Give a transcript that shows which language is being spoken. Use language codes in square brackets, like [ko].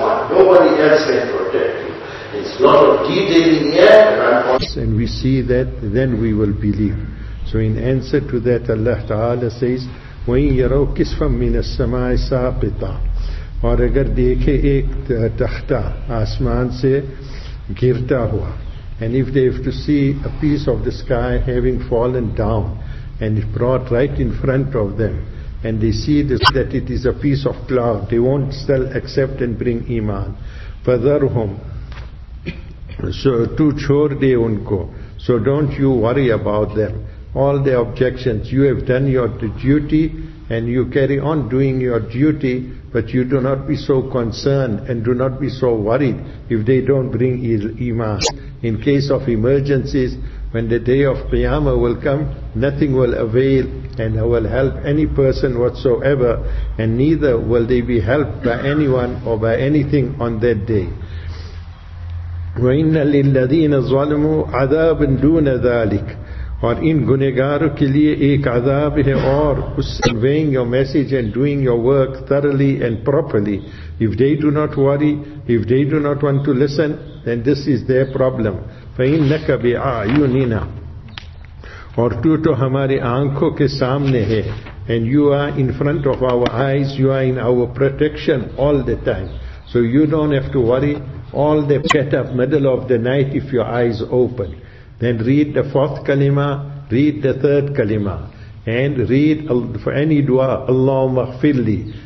[en] Nobody else can protect you. It's a lot of detail in here. And we see that, then we will believe. So in answer to that, Allah Ta'ala says, [ar] وَإِنْ يَرَوْ كِسْفًا مِنَ السَّمَاءِ سَاقِطًا. [ur] اور اگر دیکھے ایک تختہ آسمان سے گرتا ہوا. [en] And if they have to see a piece of the sky having fallen down and it brought right in front of them, and they see this, that it is a piece of cloud, they won't still accept and bring iman. [ar] فَذَرْهُمْ. [ur] So تو چھوڑ دے ان کو. [en] So don't you worry about them. All the objections, you have done your duty and you carry on doing your duty, but you do not be so concerned and do not be so worried if they don't bring iman. In case of emergencies, when the day of Qiyamah will come, nothing will avail and will help any person whatsoever, and neither will they be helped by anyone or by anything on that day. [ar] وَإِنَّ لِلَّذِينَ ظَلَمُوا عَذَابٍ دُونَ ذَلِكَ. [ur] اور ان گنہگاروں کے لیے ایک عذاب ہے اور اس [en] conveying your message and doing your work thoroughly and properly. If they do not worry, if they do not want to listen, then this is their problem. [ar] فَإِنَّكَ بِعَيُنِنَا. [ur] اور تو تو ہماری آنکھوں کے سامنے ہے. [en] And you are in front of our eyes, you are in our protection all the time. So you don't have to worry. All the get up middle of the night if your eyes open. Then read the fourth kalima, read the third kalima, and read for any dua, Allahumma ghfirli.